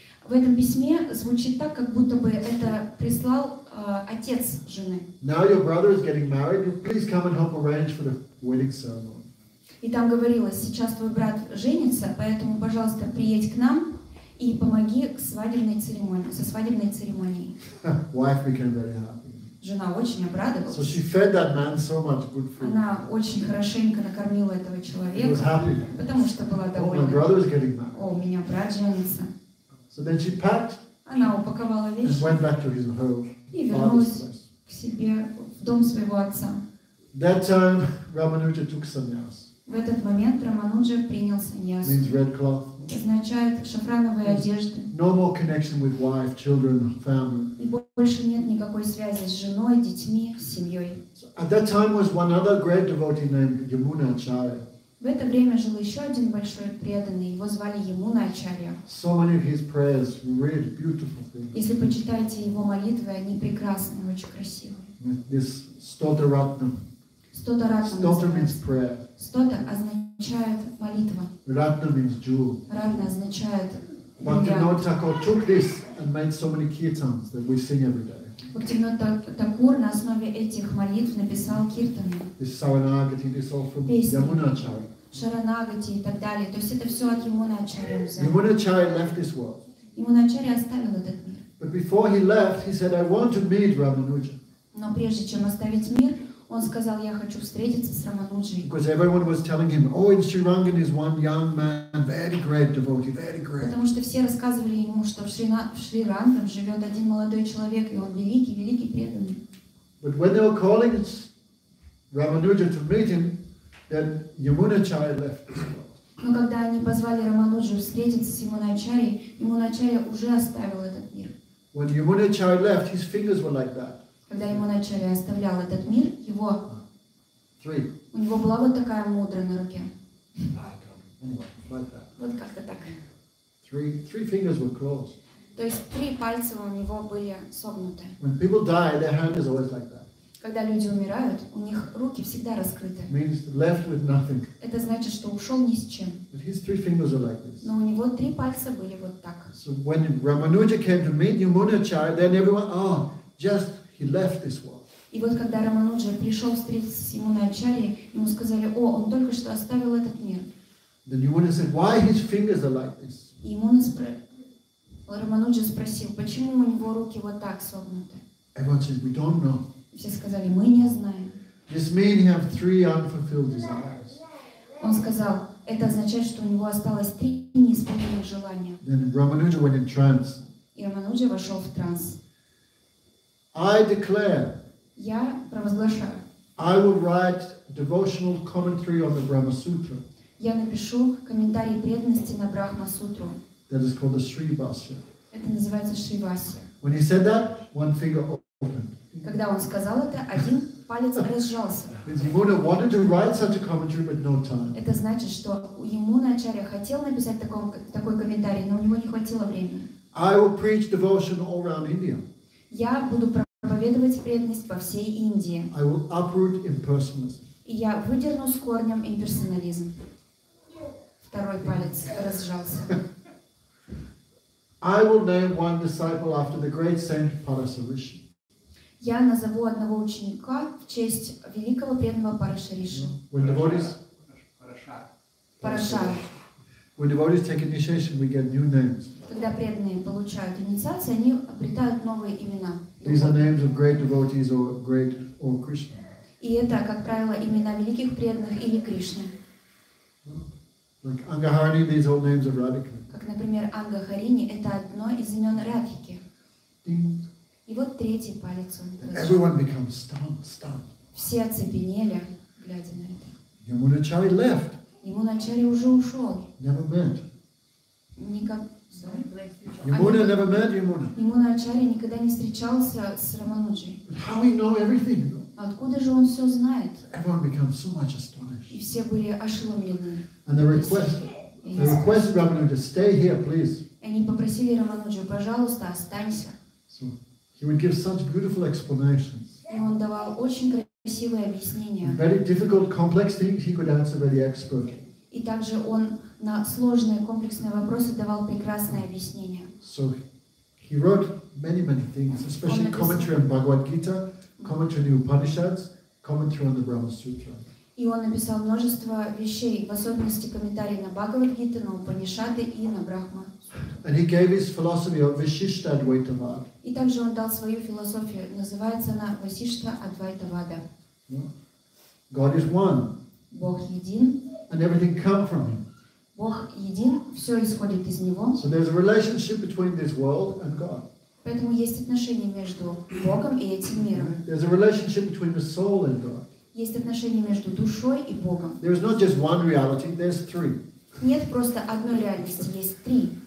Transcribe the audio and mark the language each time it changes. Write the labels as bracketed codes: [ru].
[ru] В этом письме звучит так, как будто бы это прислал отец жены. [en] Now your brother is getting married. Please come and help arrange for the wedding ceremony. [ru] И там говорилось, сейчас твой брат женится, поэтому, пожалуйста, приедь к нам и помоги со свадебной церемонией. [en] Wife became very happy. [ru] Жена очень обрадовалась. [en] So she fed that man so much good food. [ru] Она очень хорошенько накормила этого человека. [en] He was happy. [ru] Потому что была довольна. [en] Oh, my brother is getting married. [ru] О, у меня брат женится. [en] So then she packed. [ru] Она упаковала вещи. [en] And went back to his home. [ru] И вернулась к себе в дом своего отца. [en] That time Ramanuja took sannyas. [ru] В этот момент Рамануджа принял саньяс. [en] Means red cloth. [ru] Означает шафрановые одежды. [en] No more connection with wife, children, family. [ru] И больше нет никакой связи с женой, детьми, семьей. [en] At that time was one other great devotee named Yamuna Acharya. [ru] В это время жил еще один большой преданный, его звали Ямуна Ачарья. [en] So many of his prayers, really beautiful things. [ru] Если почитаете его молитвы, они прекрасные, очень красивые. [en] This Stotaratnam. [ru] Stotaratnam. [en] Stota means prayer. [ru] Stota означает молитва. [en] Ratna means jewel. [ru] Ratna означает. [en] Bhaktivinoda Thakur took this and made so many kirtans that we sing every day. [ru] Бхактивинода Такур на основе этих молитв написал киртаны. [en] This Saranagati, this all from Yamuna Acharya. [ru] Шаранагати и так далее. То есть это все от Ямуны Ачарьи. [en] Yamuna Acharya left this world. [ru] Ямуна Ачарья оставил этот мир. [en] But before he left, he said, "I want to meet Ramanuja." [ru] Но прежде чем оставить мир, он сказал, я хочу встретиться с Рамануджей. [en] Because everyone was telling him, "Oh, in Sri Rangan is one young man, very great devotee, very great." [ru] Потому что все рассказывали ему, что в Шри Ранган живет один молодой человек, и он великий, великий преданный. [en] But when they were calling Ramanuja to meet him, then Yamuna Acharya left this world. [ru] Но когда они позвали Рамануджу встретиться с Ямуной Ачарьей, Ямуна Ачарья уже оставил этот мир. [en] When Yamuna Acharya left, his fingers were like that. [ru] Когда ему начали оставлял этот мир, его [en] Three. [ru] У него была вот такая мудра на руке. [en] Anyway, like [ru] вот как-то так. [en] Three fingers were closed. [ru] То есть три пальца у него были согнуты. [en] When people die, their hand is always like that. [ru] Когда люди умирают, у них руки всегда раскрыты. [en] Means left with nothing. [ru] Это значит, что ушел ни с чем. [en] But his three fingers are like this. [ru] Но у него три пальца были вот так. [en] So when Ramanuja came to meet Yamuna Acharya, then everyone, just he left this world. [ru] И вот когда Рамануджа пришел встретиться с Ямуной Ачарьей, ему сказали, он только что оставил этот мир. [en] Then Yamuna said, why his fingers are like this? [ru] Рамануджа спросил, почему у него руки вот так согнуты? [en] Everyone said, we don't know. [ru] Все сказали, мы не знаем. [en] This means he has three unfulfilled desires. [ru] Он сказал, это означает, что у него осталось три неисполненных желания. [en] Then Ramanuja went in trance. [ru] И Рамануджа вошел в транс. [en] I declare. [ru] Я провозглашаю. [en] I will write devotional commentary on the Brahma Sutra. [ru] Я напишу комментарий преданности на Брахма Сутру. [en] That is called the Sri Vasya. [ru] Это называется Шри Васья. [en] When he said that, one finger opened. [ru] Когда он сказал это, один палец разжался. [en] Yamuna wanted to write such a commentary, but no time. [ru] Это значит, что Ямуна Ачарья хотел написать такой комментарий, но у него не хватило времени. [en] I will preach devotion all around India. [ru] Я буду проповедовать преданность по всей Индии. [en] I will uproot impersonalism. [ru] И я выдерну с корнем имперсонализм. Второй палец разжался. [en] I will name one disciple after the great saint Parasarishi. [ru] Я назову одного ученика в честь великого преданного Парашариши. [en] When devotees [ru] Парашар. [en] When devotees take initiation, we get new names. [ru] Когда преданные получают инициацию, они обретают новые имена. [en] These are names of great devotees or great or Krishna. [ru] И это, как правило, имена великих преданных или Кришны. [en] Like Angaharini, these are names of Radhika. [ru] Как, например, Ангахарини — это одно из имен Радхики. И вот третий палец он положил. [en] Everyone becomes stunned. [ru] Все оцепенели, глядя на это. [en] Yamuna Acharya left. [ru] Yamuna Acharya уже ушел. [en] Never met. [ru] Никак. [en] Yamuna never met Yamuna. [ru] Ямуна Ачарья никогда не встречался с Рамануджей. [en] How he know everything? [ru] Откуда же он все знает? [en] Everyone became so much astonished. [ru] И все были ошеломлены. [en] And they requested Рамануджа to stay here, please. [ru] Они попросили Рамануджа, пожалуйста, останься. [en] So he would give such beautiful explanations. [ru] И он давал очень красивые объяснения. [en] Very difficult, complex things he could answer very expertly. [ru] И также он на сложные, комплексные вопросы давал прекрасные объяснения. [en] So he wrote many things, especially commentary on Bhagavad Gita, commentary on the Upanishads, commentary on the Brahma Sutra. [ru] И он написал множество вещей, в особенности комментарии на Бхагавад Гиту, на Упанишады и на Брахма. [en] And he gave his philosophy of Vishishta Advaita Vada. [ru] И также он дал свою философию, называется она Васиштха Адвайта Вада. [en] God is one. [ru] Бог един. [en] And everything comes from him. [ru] Бог един, все исходит из него. [en] So there's a relationship between this world and God. [ru] Поэтому есть отношение между Богом и этим миром. [en] There's a relationship between the soul and God. [ru] Есть отношение между душой и Богом. [en] There is not just one reality, there's three. [ru] Нет просто одной реальности, есть три.